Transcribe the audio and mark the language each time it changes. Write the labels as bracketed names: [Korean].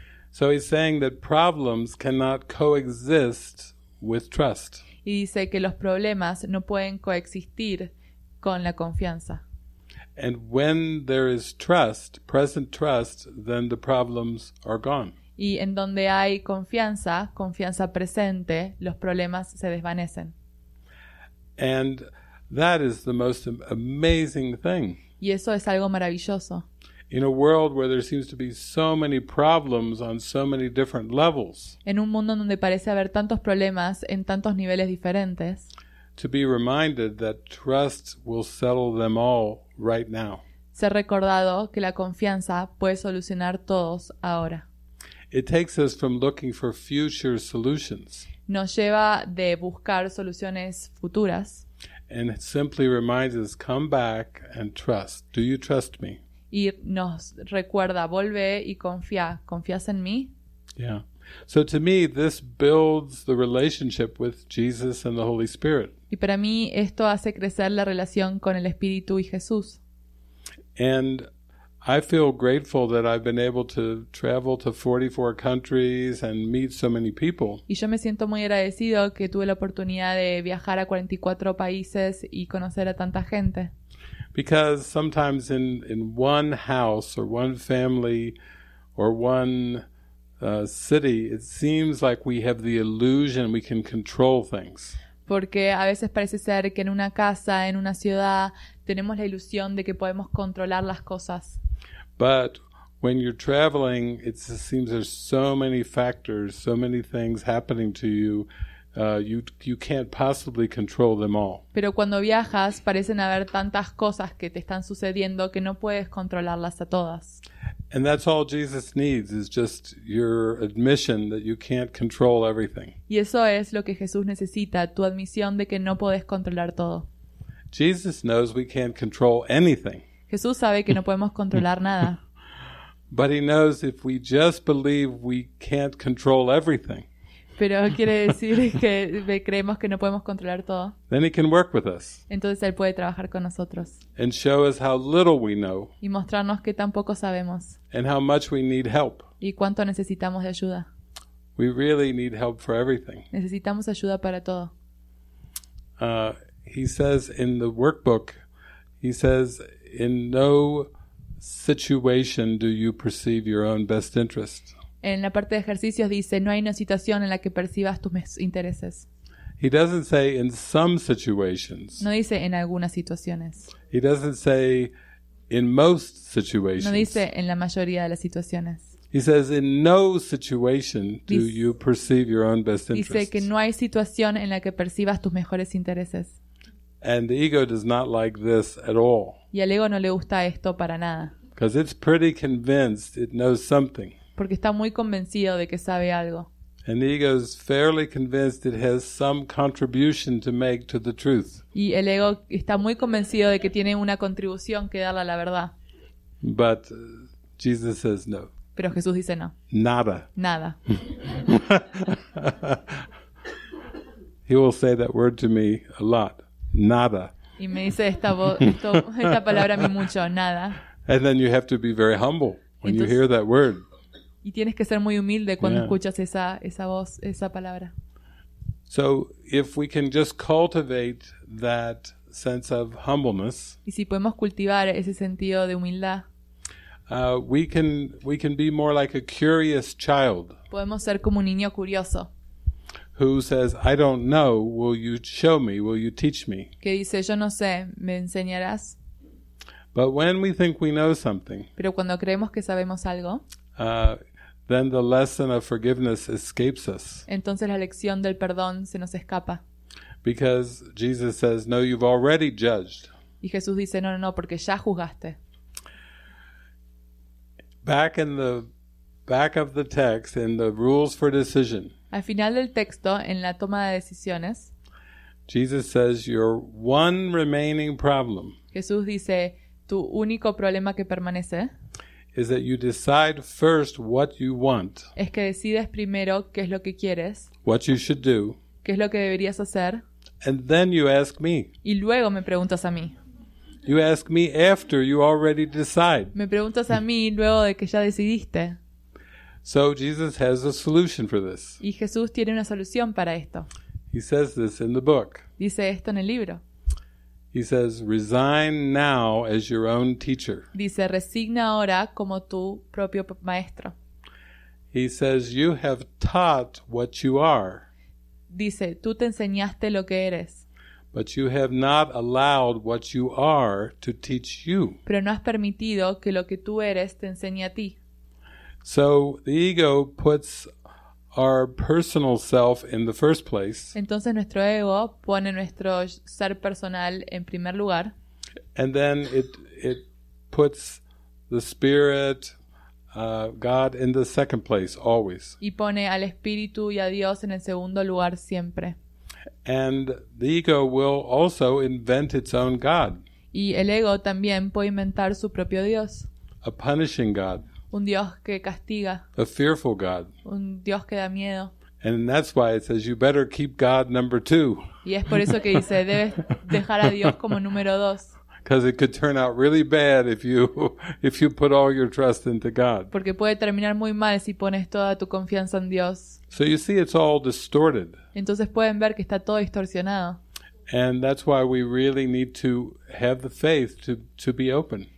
[English] So he's saying that problems cannot coexist with trust. [Spanish] Y dice que los problemas no pueden coexistir con la confianza. [English] And when there is trust, present trust, then the problems are gone. [Spanish] Y en donde hay confianza, confianza presente, los problemas se desvanecen. [English] And that is the most amazing thing. [Spanish] Y eso es algo maravilloso. [English] In a world where there seems to be so many problems on so many different levels. [Spanish] En un mundo donde parece haber tantos problemas en tantos niveles diferentes. [English] To be reminded that trust will settle them all right now. [Spanish] Ser recordado que la confianza puede solucionar todos ahora. [English] It takes us from looking for future solutions. [Spanish] Nos lleva de buscar soluciones futuras. [English] And it simply reminds us, come back and trust. Do you trust me? [Spanish] Y nos recuerda, volvé y confía. ¿Confías en mí? [English] Yeah. So to me, this builds the relationship with Jesus and the Holy Spirit. [Spanish] Y para mí, esto hace crecer la relación con el Espíritu y Jesús. [English] And I feel grateful that I've been able to travel to 44 countries and meet so many people. [Spanish] Y yo me siento muy agradecido que tuve la oportunidad de viajar a 44 países y conocer a tanta gente. [English] Because sometimes in one house or one family or one city, it seems like we have the illusion we can control things. [Spanish] Porque a veces parece ser que en una casa, en una ciudad, tenemos la ilusión de que podemos controlar las cosas. [English] But when you're traveling, it seems there's so many factors, so many things happening to you, you can't possibly control them all. [Spanish] Pero cuando viajas, parecen haber tantas cosas que te están sucediendo que no puedes controlarlas a todas. [English] And that's all Jesus needs, is just your admission that you can't control everything. [Spanish] Y eso es lo que Jesús necesita, tu admisión de que no puedes controlar todo. [English] Jesus knows we can't control anything. [Spanish] Jesús sabe que no podemos controlar nada. [English] But he knows if we just believe we can't control everything. [Spanish] Pero quiere decir que creemos que no podemos controlar todo. [English] Then he can work with us. [Spanish] Entonces él puede trabajar con nosotros. [English] And show us how little we know. [Spanish] Y mostrarnos que tan poco sabemos. [English] And how much we need help. [Spanish] Y cuánto necesitamos de ayuda. [English] We really need help for everything. [Spanish] Necesitamos ayuda para todo. [English] He says in the workbook, he says, in no situation do you perceive your own best interest. [Spanish] En la parte de ejercicios dice, no hay una situación en la que percibas tus intereses. [English] He doesn't say in some situations. [Spanish] No dice en algunas situaciones. [English] He doesn't say in most situations. [Spanish] No dice en la mayoría de las situaciones. [English] He says in no situation do you perceive your own best interest. [Spanish] Dice que no hay situación en la que percibas tus mejores intereses. [English] And the ego does not like this at all. [Spanish] Y al ego no le gusta esto para nada. [English] Because it's pretty convinced it knows something. [Spanish] Porque está muy convencido de que sabe algo. [English] And the ego is fairly convinced it has some contribution to make to the truth. [Spanish] Y el ego está muy convencido de que tiene una contribución que darle a la verdad. [English] But Jesus says no. [Spanish] Pero Jesús dice no. Nada. Nada. [English] He will say that word to me a lot. [Spanish] Nada. Y me dice esta palabra a mí mucho. Nada. [English] And then you have to be very humble when [Spanish] Entonces, [English] you hear that word. [Spanish] Y tienes que ser muy humilde cuando escuchas esa voz, esa palabra. [English] So, if we can just cultivate that sense of humbleness, [Spanish] y si podemos cultivar ese sentido de humildad, [English] we can be more like a curious child. [Spanish] Podemos ser como un niño curioso. [English] Who says, I don't know, will you show me, will you teach me? [Spanish] Que dice, yo no sé, ¿me enseñarás? [English] But when we think we know something, [Spanish] pero cuando creemos que sabemos algo, [English] then the lesson of forgiveness escapes us. [Spanish] Entonces la lección del perdón se nos escapa. [English] Because Jesus says, no, you've already judged. [Spanish] Y Jesús dice, no, no, no, porque ya juzgaste. [English] Back in the back of the text, in the rules for decision. [Spanish] Al final del texto, en la toma de decisiones, [English] Jesus says, your one remaining problem. [Spanish] Jesús dice, tu único problema que permanece. [English] Is that you decide first what you want. [Spanish] Es que decides primero qué es lo que quieres. [English] What you should do. [Spanish] Qué es lo que deberías hacer. [English] And then you ask me. [Spanish] Y luego me preguntas a mí. [English] You ask me after you already decide. [Spanish] Me preguntas a mí luego de que ya decidiste. [English] So Jesus has a solution for this. [Spanish] Y Jesús tiene una solución para esto. [English] He says this in the book. [Spanish] Dice esto en el libro. [English] He says, resign now as your own teacher. [Spanish] Dice, resigna ahora como tu propio maestro. [English] He says, you have taught what you are. [Spanish] Dice, tú te enseñaste lo que eres. [English] But you have not allowed what you are to teach you. [Spanish] Pero no has permitido que lo que tú eres te enseñe a ti. [English] So the ego puts our personal self in the first place. [Spanish] Entonces nuestro ego pone nuestro ser personal en primer lugar. [English] And then it puts the spirit, God in the second place always. [Spanish] Y pone al espíritu y a Dios en el segundo lugar siempre. [English] And the ego will also invent its own God. [Spanish] Y el ego también puede inventar su propio Dios. [English] A punishing God. [Spanish] Un Dios que castiga. [English] A fearful God. [Spanish] Un Dios que da miedo. [English] And that's why it says you better keep God number two. [Spanish] Y es por eso que dice, debes dejar a Dios como número dos. [English] Because it could turn out really bad if you put all your trust into God. [Spanish] Porque puede terminar muy mal si pones toda tu confianza en Dios. [English] So you see it's all distorted. [Spanish] Entonces pueden ver que está todo distorsionado. [English] And that's why we really need to have the faith to be open.